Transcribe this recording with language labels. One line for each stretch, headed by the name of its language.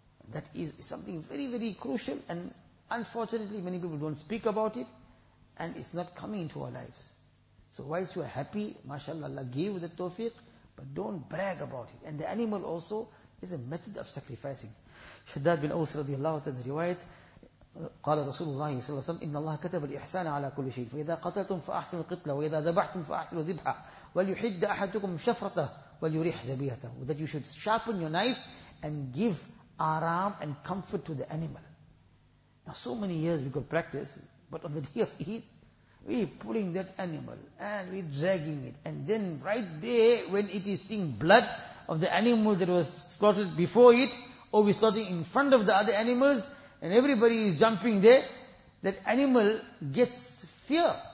English: That is something very, very crucial and unfortunately many people don't speak about it and it's not coming into our lives. So whilst you are happy, mashallah, Allah gave the tawfiq, but don't brag about it. And the animal also is a method of sacrificing.
Arabic: Shaddad bin Aws radiallahu ta'ala riwayat, قال رسول الله صلى الله عليه وسلم إن الله كتب الإحسان على كل شيء فإذا قتلتم فأحسنوا القتلة وإذا ذبحتم فأحسنوا ذبحة وليحد أحدكم شفرته وليريح ذبيحته.
English: That you should sharpen your knife and give aram and comfort to the animal. Now so many years we could practice, but on the day of Eid, we pulling that animal and we dragging it, and then right there when it is seeing blood of the animal that was slaughtered before it, or we slaughtering in front of the other animals, and everybody is jumping there, that animal gets fear.